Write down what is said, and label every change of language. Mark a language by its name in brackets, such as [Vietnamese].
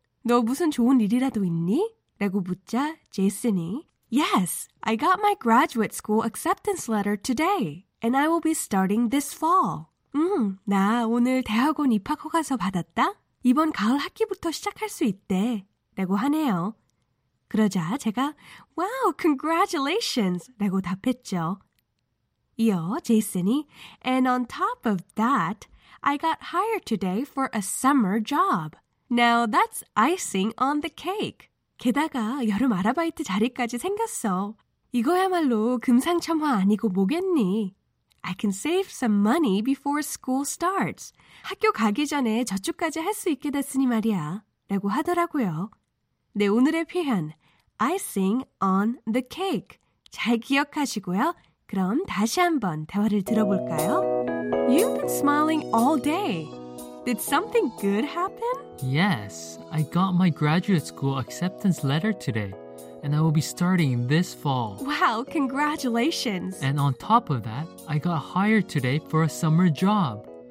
[Korean] 너 무슨 좋은 일이라도 있니? 라고 묻자 제이슨이 [English] Yes, I got my graduate school acceptance letter today, and I will be starting this fall. [Korean] 나 오늘 대학원 입학 허가서 받았다. 이번 가을 학기부터 시작할 수 있대. 라고 하네요. 그러자 제가 [English] Wow, congratulations! [Korean] 라고 답했죠. 이어 제이슨이 [English] And on top of that, I got hired today for a summer job. Now that's icing on the cake. [Korean] 게다가 여름 아르바이트 자리까지 생겼어. 이거야말로 금상첨화 아니고 뭐겠니? [English] I can save some money before school starts. [Korean] 학교 가기 전에 저축까지 할 수 있게 됐으니 말이야. 라고 하더라고요. 네, 오늘의 표현. [English] Icing on the cake. [Korean] 잘 기억하시고요. 그럼 다시 한번 대화를 들어볼까요? [English] You've been smiling all day. Did something good happen? Yes, I got my graduate school acceptance letter today, and I will be starting this fall. Wow, congratulations. And on top of that, I got hired today for a summer job.